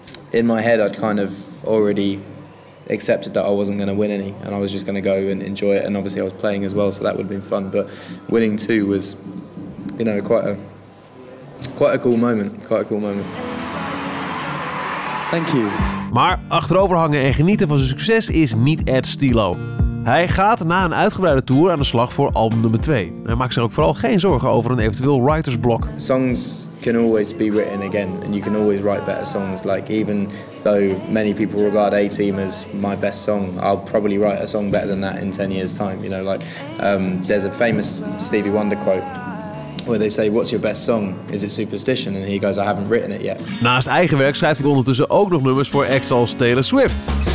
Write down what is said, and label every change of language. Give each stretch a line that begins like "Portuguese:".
English: In my head, I'd kind of already accepted that I wasn't going to win any, and I was just going to go and enjoy it. And obviously, I was playing as well, so that would have been fun. But winning two was, you know, quite a cool moment. Quite a cool moment. Thank you.
Dutch: Maar achteroverhangen en genieten van zijn succes is niet Ed Stilo. Hij gaat na een uitgebreide tour aan de slag voor album nummer 2. Hij maakt zich ook vooral geen zorgen over een eventueel writer's block.
English: Songs can always be written again and you can always write better songs. Like even though many people regard A-Team as my best song, I'll probably write a song better than that in 10 years time. You know, like there's a famous Stevie Wonder quote where they say, what's your best song? Is it Superstition? And he goes, I haven't written it yet.
Dutch: Naast eigen werk schrijft hij ondertussen ook nog nummers voor acts als Taylor Swift.